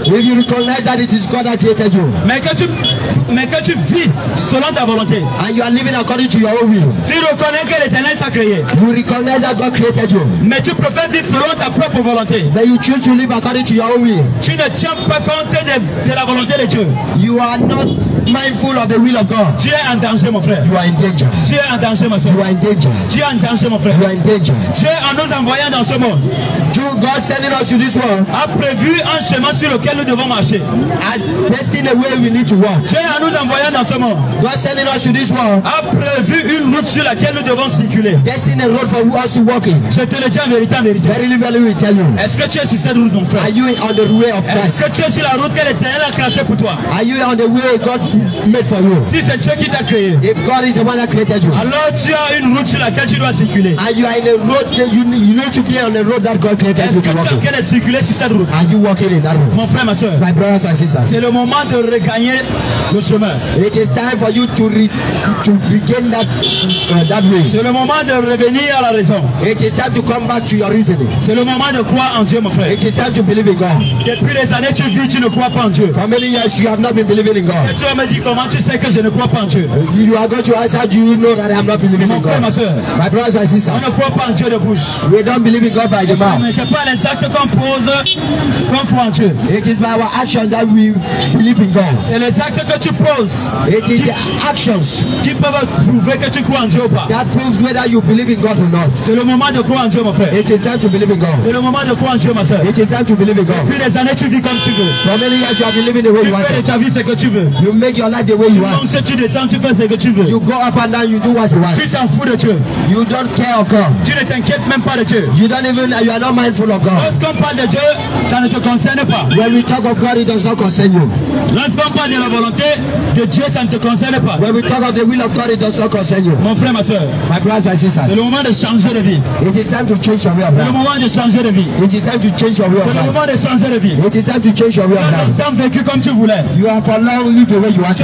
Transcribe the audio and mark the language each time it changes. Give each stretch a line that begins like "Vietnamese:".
English: if you recognize that it is God that created you,
French: mais que tu vis selon ta volonté,
English: and you are living according to your own will,
French: tu reconnais que l'Éternel t'a créé,
English: you recognize that God created you,
French: mais tu préfères vivre selon ta propre volonté,
English: but you choose to live according to your own will,
French: tu ne tiens pas compte de la volonté de Dieu,
English: you are not mindful of the will of God.
French: Tu es en danger, mon frère.
English: You are in danger.
French: Tu es en danger, ma soeur.
English: You are in danger.
French: Tu es en danger, mon frère.
English: You are in danger.
French: Dieu, en nous envoyant dans ce monde,
English: God sending us to this world,
French: a prévu un chemin sur lequel nous devons marcher.
English: Has destined a way we need to walk.
French: Dieu, en nous envoyant dans ce monde,
English: God sending us to this world,
French: a prévu une route sur laquelle nous devons circuler.
English: Destined a road for us to walk in.
French: Je te le dis en vérité,
English: Verily, verily, we tell you.
French: Est-ce que tu es sur cette route, mon frère?
English: Are you on the way of Christ?
French: Est-ce que tu es sur la route que l'Éternel a tracée pour toi?
English: Are you on the way God made for you?
French: Si c'est Dieu qui t'a créé,
English: if God is the one that created you,
French: alors tu as une route sur laquelle tu dois circuler.
English: Are you on the road that you need to be on the road that God created?
French: Est-ce que tu es en train de circuler sur cette route?
English: Are you walking in that route?
French: Mon frère, ma soeur,
English: my brothers and sisters,
French: c'est le moment de regagner le chemin.
English: It is time for you to regain that way.
French: C'est le moment de revenir à la raison.
English: It is time to come back to your reasoning.
French: C'est le moment de croire en Dieu, mon frère.
English: It is time to believe in God.
French: Depuis les années tu vis, tu ne crois pas en Dieu.
English: For many years you have not been believing in God.
French: Et tu vas me dire comment tu sais que je ne crois pas en Dieu?
English: You are going to ask, how do you know that I am not believing in God?
French: Mon frère, ma soeur,
English: my brothers and sisters,
French: on ne croit pas en Dieu de bouche.
English: We don't believe in God by the mouth.
French: C'est pas les actes qu'on pose qu'on croit en Dieu.
English: It is by our actions that we believe in God.
French: C'est les actes que tu poses.
English: It is the actions
French: qui peuvent prouver que tu crois en Dieu ou pas.
English: That proves whether you believe in God or not.
French: C'est le moment de croire en Dieu, mon frère.
English: It is time to believe in God.
French: C'est le moment de croire en Dieu, ma soeur.
English: It is time to believe in God.
French: Depuis les années, tu vis comme tu veux.
English: For many years you have been living the way you want.
French: Tu fais de ta vie ce que tu veux.
English: You make your life the way you want.
French: Tu montes, tu descends, tu fais ce que tu veux.
English: You go up and down, you do what you want.
French: Tu t'en fous de Dieu.
English: You don't care of God.
French: Tu ne t'inquiètes même pas de Dieu.
English: You don't even, you are not mindful of God.
French: Lorsqu'on parle de Dieu, ça ne te concerne pas.
English: When we talk of God, it does not concern you.
French: Lorsqu'on parle de la volonté de Dieu, ça ne te concerne pas.
English: When we talk of the will of God, it does not concern you.
French: Mon frère, ma soeur,
English: my brothers, my sisters,
French: c'est le moment de changer de vie.
English: It is time to change your way of life.
French: C'est le moment de changer de vie.
English: It is time to change your way of life.
French: C'est le moment de changer de vie.
English: It is time to change your way of life.
French: Tu as longtemps vécu comme tu voulais.
English: You have for long lived the way you wanted.